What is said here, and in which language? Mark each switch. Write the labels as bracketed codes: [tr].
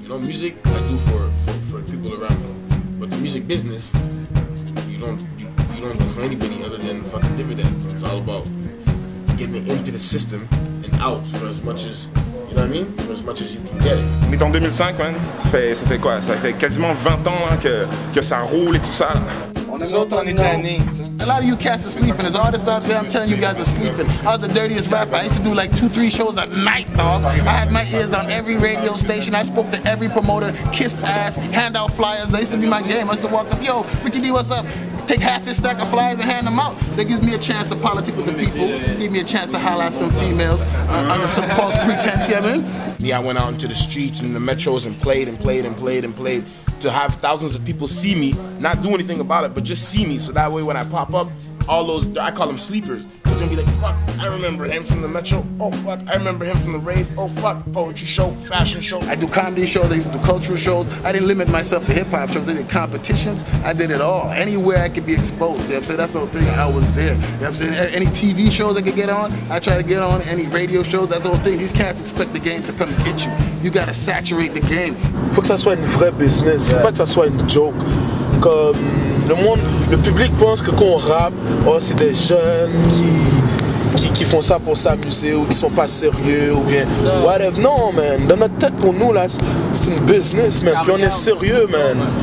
[en] You know, music, I do for people around me. But the music business, you don't do for anybody other than fucking dividends. It's all about getting it into the system and out for as much as, you know what I mean? For as much as you can get it. [fr] On est en 2005, man. Ça fait quoi? Ça fait quasiment 20 ans hein, que ça roule et tout ça. Nous autres, on est [en] A lot of you cats are sleeping. There's artists out there, I'm telling you guys are sleeping. I was the dirtiest rapper. I used to do like 2-3 shows a night, dog. I had my ears on every radio station. I spoke to every promoter, kissed ass, hand out flyers. That used to be my game. I used to walk up, yo, Ricky D, what's up? Take half his stack of flyers and hand them out. That gives me a chance to politic with the people. Give me a chance to holler at some females under some false pretense, yeah, man? Yeah, I went out into the streets and the metros and played and played and played and played. To have thousands of people see me, not do anything about it, but just see me. So that way when I pop up, all those, I call them sleepers. It's gonna be like, fuck, I remember him from the metro. Oh, fuck, I remember him from the rave. Oh, fuck, poetry show, fashion show. I do comedy shows, I used to do cultural shows. I didn't limit myself to hip-hop shows. I did competitions, I did it all. Anywhere I could be exposed, you know what I'm saying? That's the whole thing, I was there. You know what I'm saying? Any TV shows I could get on, I try to get on. Any radio shows, that's the whole thing. These cats expect the game to come get you. You gotta saturate the game. [fr] Faut que ça soit une vraie business. Faut pas que ça soit une joke. Comme le monde, le public pense que quand on rappe, oh, c'est des jeunes qui font ça pour s'amuser ou qui sont pas sérieux ou bien whatever. Non, man. Dans notre tête, pour nous, là, c'est une business, man. Puis on est sérieux, man.